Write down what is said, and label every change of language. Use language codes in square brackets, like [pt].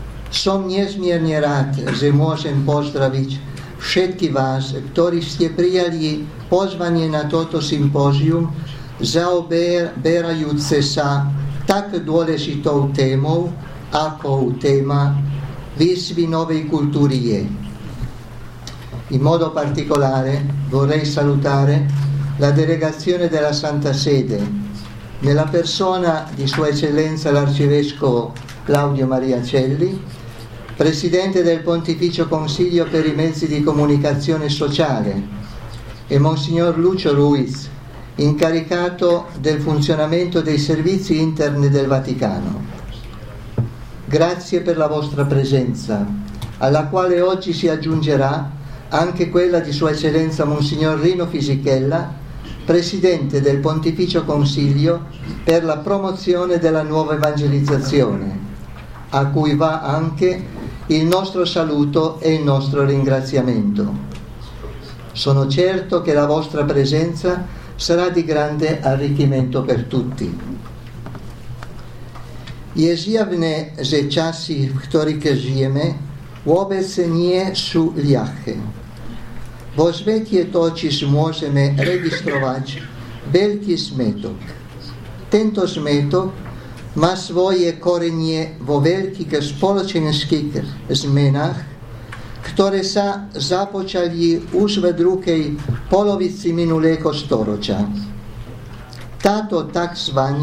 [sk] Som nezmierne rád, že môžem pozdraviť všetky vás, ktorí ste prijali pozvanie na toto simpozium zaoberajúce sa tak dôležitou témou, ako téma výzvy novej kultúry je. [it] In modo particolare vorrei salutare la delegazione della Santa Sede nella persona di Sua Eccellenza l'Arcivescovo Claudio Maria Celli, Presidente del Pontificio Consiglio per i Mezzi di Comunicazione Sociale, e Monsignor Lucio Ruiz, incaricato del funzionamento dei servizi internet del Vaticano. Grazie per la vostra presenza, alla quale oggi si aggiungerà anche quella di Sua Eccellenza Monsignor Rino Fisichella, Presidente del Pontificio Consiglio per la promozione della nuova evangelizzazione, a cui va anche il nostro saluto e il nostro ringraziamento. Sono certo che la vostra presenza sarà di grande arricchimento per tutti. [sk] Je zjavné, že časy, v ktorých žijeme, vôbec nie sú ľahké. Vo svete totiž môžeme registrovať veľký zmetok. Tento zmetok má svoje korenie vo veľkých spoločenských zmenách, ktoré sa započali už v druhej polovici minulého storočia. Táto tzv.